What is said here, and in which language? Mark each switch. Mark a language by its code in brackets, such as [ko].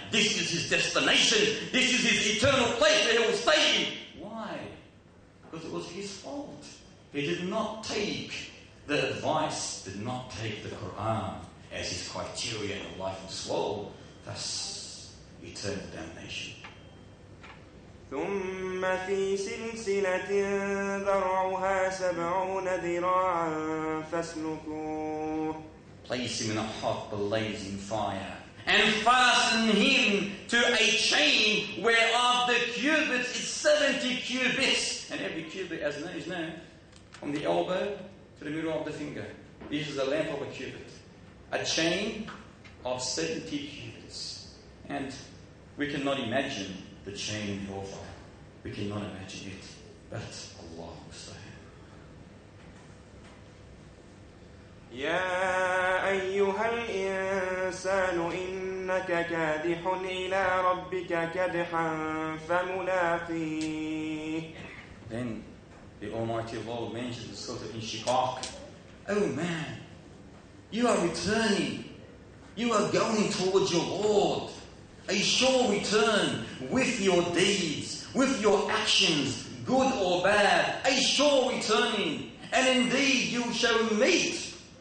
[en] This is his destination. This is his eternal place where he will stay in. Why? Because it was his fault. He did not take the advice, did not take the Quran as his criteria of life and soul. Thus, eternal damnation. [ar] ثم في سلسلة ذرعها سبعون ذراعا فاسلكوه. [en] Place him in a hot, blazing fire. and fasten him to a chain whereof the cubits is 70 cubits. And every cubit as is known, from the elbow to the middle of the finger. This is the length of a cubit. A chain of 70 cubits. And we cannot imagine the chain in hellfire. We cannot imagine it. But Allah will say, [ar] يا أيها الإنسان إنك كادح إلى ربك كدحا فملاقيه. [en] Then the Almighty Allah mentions the Surah in Shiqaq. Oh man, you are returning. You are going towards your Lord. A sure return with your deeds, with your actions, good or bad. A sure returning. And indeed you shall meet.